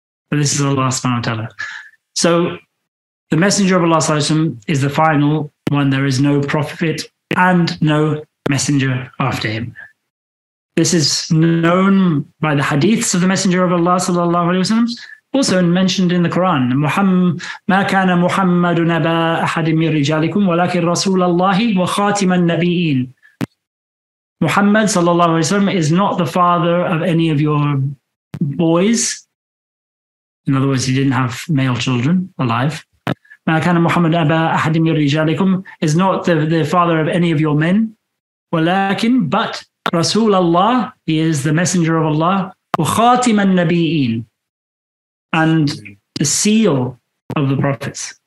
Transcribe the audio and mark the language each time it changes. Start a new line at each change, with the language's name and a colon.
English: But this is Allah subhanahu wa ta'ala. So the messenger of Allah subhanahu wa ta'ala is the final one. There is no prophet and no messenger after him. This is known by the hadiths of the Messenger of Allah sallallahu alaihi wasallam, also mentioned in the Quran.
Arabic: ما كان محمد نبا أحد من رجالكم ولكن رسول الله وخاتم النبيين.
English: Muhammad sallallahu alaihi wasallam is not the father of any of your boys. In other words, he didn't have male children alive.
Arabic: ما كان محمد أبا أحد من رجالكم
English: is not the father of any of your men.
Arabic: ولكن
English: but Rasul Allah, he is the messenger of Allah,
Arabic: وخاتم النبيين,
English: and the seal of the prophets.